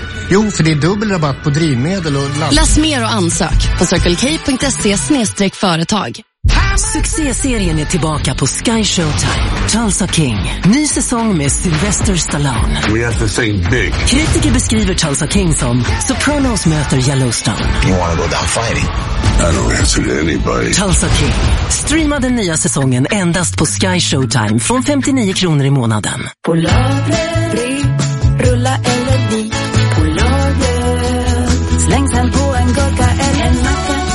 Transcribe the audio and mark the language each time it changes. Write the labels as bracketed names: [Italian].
[Swedish] Jo, för det är dubbel rabatt på drivmedel och laddning. Läs mer och ansök på circlek.se/företag. Succéserien är tillbaka på Sky Showtime. Tulsa King. Ny säsong med Sylvester Stallone. [English] We have to think big. [Swedish] Kritiker beskriver Tulsa King som Sopranos möter Yellowstone. [English] You wanna go down fighting? I don't answer to anybody. [Swedish] Tulsa King. Streama den nya säsongen endast på Sky Showtime från 59 kronor i månaden. På lagret, rulla eller bli. På lagret, släng sen på en gurka eller en macka.